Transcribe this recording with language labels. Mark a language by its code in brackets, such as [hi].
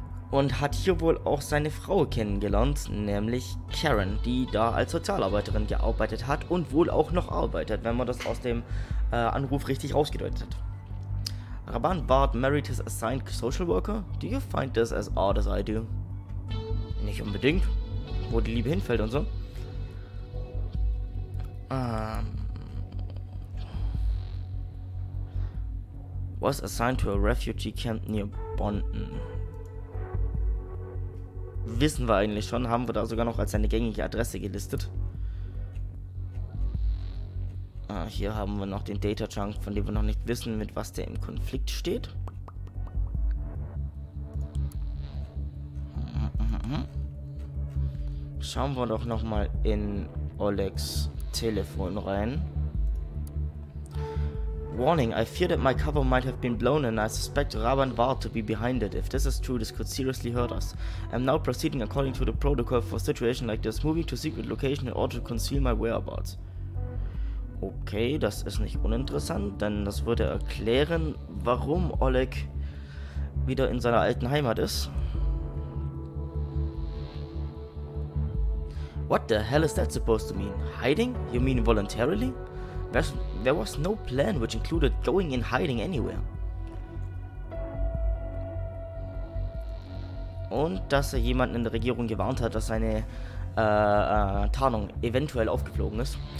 [de] Und hat hier wohl auch seine Frau kennengelernt, nämlich Karen, die da als Sozialarbeiterin gearbeitet hat und wohl auch noch arbeitet, wenn man das aus dem Anruf richtig rausgedeutet hat. [en] Raban Ward married his assigned social worker? Do you find this as odd as I do? [de] Nicht unbedingt. Wo die Liebe hinfällt und so. [en] Was assigned to a refugee camp near Bonden? [de] Wissen wir eigentlich schon. Haben wir da sogar noch als seine gängige Adresse gelistet. Hier haben wir noch den Data-Chunk, von dem wir noch nicht wissen, mit was der im Konflikt steht. Mhm. Schauen wir doch nochmal in Olegs Telefon rein. [en] Warning, I fear that my cover might have been blown and I suspect Raban Var to be behind it. If this is true, this could seriously hurt us. I'm now proceeding according to the protocol for a situation like this, moving to secret location in order to conceal my whereabouts. [de] Okay, das ist nicht uninteressant, denn das würde erklären, warum Oleg wieder in seiner alten Heimat ist. [en] What the hell is that supposed to mean? Hiding? You mean voluntarily? There was no plan which included going in hiding anywhere. [de] Und dass er jemanden in der Regierung gewarnt hat, dass seine Tarnung eventuell aufgeflogen ist.